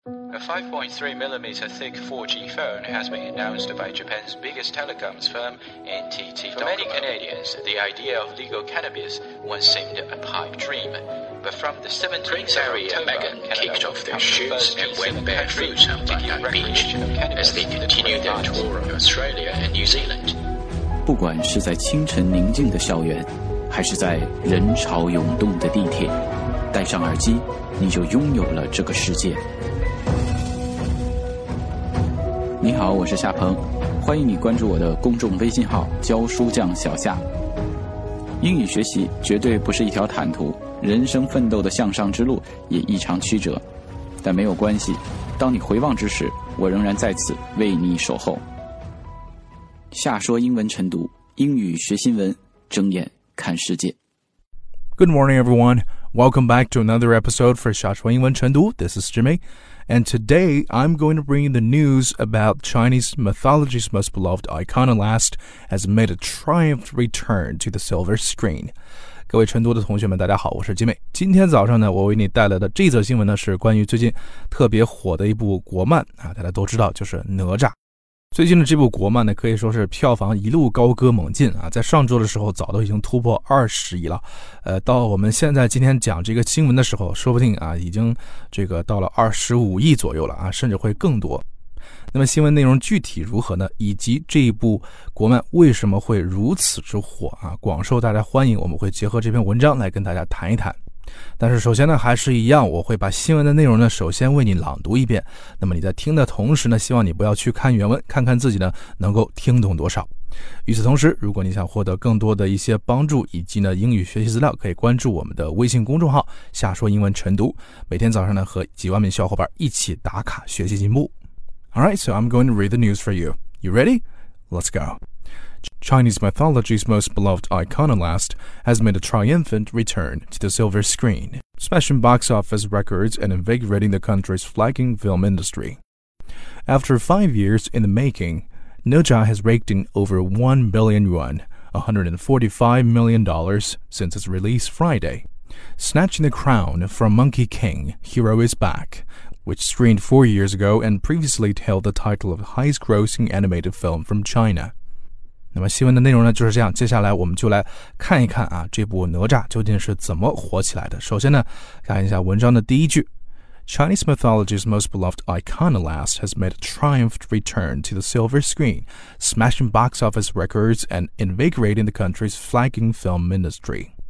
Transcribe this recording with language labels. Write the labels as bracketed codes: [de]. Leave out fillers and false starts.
[en] A 5.3mm thick 4G phone has been announced by Japan's biggest telecoms firm, NTT Docomo. For many Canadians, the idea of legal cannabis once seemed a pipe dream. But from the 17th of October, Megan kicked off their shoots and went barefoot on Bondi Beach as they continued their tour of Australia and New Zealand. [zh] 不管是在清晨宁静的校园，还是在人潮涌动的地铁，戴上耳机，你就拥有了这个世界。你好，我是夏鹏，欢迎你关注我的公众微信号教书匠小夏。英语学习绝对不是一条坦途，人生奋斗的向上之路也异常曲折，但没有关系，当你回望之时，我仍然在此为你守候。夏说英文晨读，英语学新闻，睁眼看世界。 [en] Good morning everyone, welcome back to another episode for 夏说英文晨读。 This is Jimmy. And today, I'm going to bring you the news about Chinese mythology's most beloved iconoclast has made a triumphant return to the silver screen. [zh] 各位晨读的同学们，大家好，我是吉美。今天早上呢，我为你带来的这则新闻呢，是关于最近特别火的一部国漫啊，大家都知道，就是《哪吒》。最近的这部国漫呢，可以说是票房一路高歌猛进啊，在上周的时候早都已经突破20亿了，到我们现在今天讲这个新闻的时候，说不定啊已经这个到了25亿左右了啊，甚至会更多。那么新闻内容具体如何呢？以及这一部国漫为什么会如此之火啊，广受大家欢迎，我们会结合这篇文章来跟大家谈一谈。但是首先呢，还是一样，我会把新闻的内容呢首先为你朗读一遍，那么你在听的同时呢，希望你不要去看原文，看看自己呢能够听懂多少。与此同时，如果你想获得更多的一些帮助以及呢英语学习资料，可以关注我们的微信公众号夏说英文晨读，每天早上呢和几万名小伙伴一起打卡学习进步。 [en] Alright, so I'm going to read the news for you. You ready? Let's goChinese mythology's most beloved iconoclast has made a triumphant return to the silver screen, smashing box office records and invigorating the country's flagging film industry. After 5 years in the making, Noja has raked in over 1 billion yuan, $145 million, since its release Friday, snatching the crown from Monkey King, Hero is Back, which screened 4 years ago and previously held the title of highest-grossing animated film from China. [zh] 那么新闻的内容呢就是这样，接下来我们就来看一看啊，这部哪吒究竟是怎么火起来的。首先呢，看一下文章的第一句， [en] Chinese mythology's most beloved iconoclast has made a triumphant return to the silver screen, smashing box office records and invigorating the country's flagging film industry.